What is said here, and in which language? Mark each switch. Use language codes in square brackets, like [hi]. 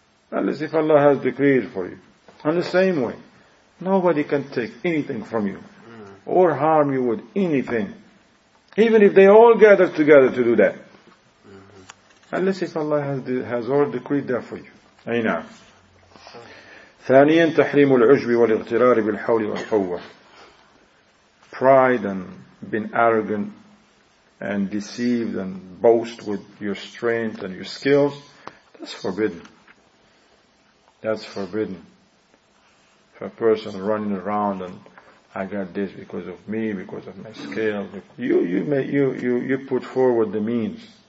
[en] Unless if Allah has decreed for you. In the same way, nobody can take anything from you or harm you with anything, even if they all gather together to do that. Unless if Allah has all decreed that for you. [ar] Ayna. ثانيا تحريم العجب والاغترار بالحول والقوة. [en] Pride and being arrogant and deceived and boast with your strength and your skills, that's forbidden. That's forbidden. If a person running around and I got this because of me, because of my skill, you put forward the means.